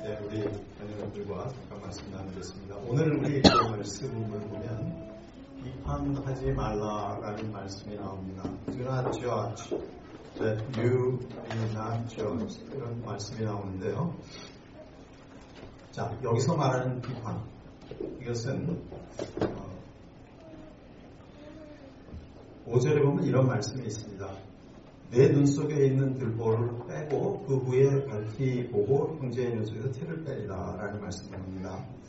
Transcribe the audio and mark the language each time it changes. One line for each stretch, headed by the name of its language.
Korean: 여러분들과 잠깐 말씀 나누겠습니다. 오늘 우리 말씀을 보면 비판하지 말라라는 말씀이 나옵니다.
English: Do not judge that you be not judged.
Korean: 이런 말씀이 나오는데요. 자, 여기서 말하는 비판, 이것은 5절에 보면 이런 말씀이 있습니다. 내 눈속에 있는 들보를 빼고 그 후에 밝히 보고 형제의 눈속에서 티를 빼리라 라는 말씀입니다.